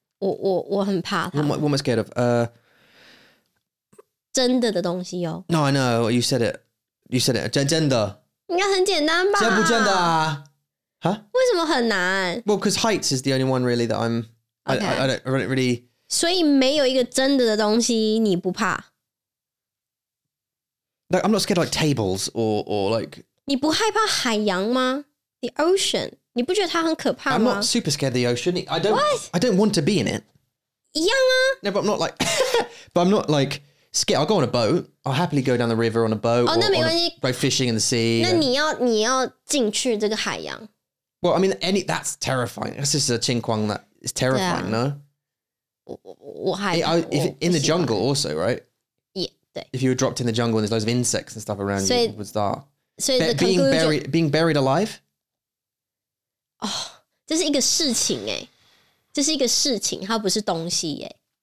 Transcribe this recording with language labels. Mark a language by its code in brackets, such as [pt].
[zh] 我很怕他。 [en] What am I scared of? [zh] 真的的东西哦。 [en] No, I know, you said it, 真的。 [zh] 应该很简单吧。真不真的啊。Huh? 为什么很难? [en] Well, because heights is the only one really that I'm... Okay. I don't really... [zh] 所以没有一个真的的东西你不怕。 [en] Like, I'm not scared of like tables or like... [zh] 你不害怕海洋吗? [en] The ocean. [zh] 你不觉得它很可怕吗? [en] I'm not super scared of the ocean. I don't want to be in it. [zh] 一样啊。 [en] No, but I'm not like, but I'm not like scared. I'll go on a boat. I'll happily go down the river on a boat. [zh] Oh, 那没关系。 [en] Go fishing in the sea. [zh] 那你要进去这个海洋。 [en] Well, I mean, that's terrifying. That's just a 情况 that is terrifying, no? [zh] 我害怕。 [en] In the jungle also, right? Yeah, 对。 If you were dropped in the jungle and there's loads of insects and stuff around you, what's that? Being buried alive? [zh] 哦、oh, ，这是一个事情哎，这是一个事情，它不是东西哎。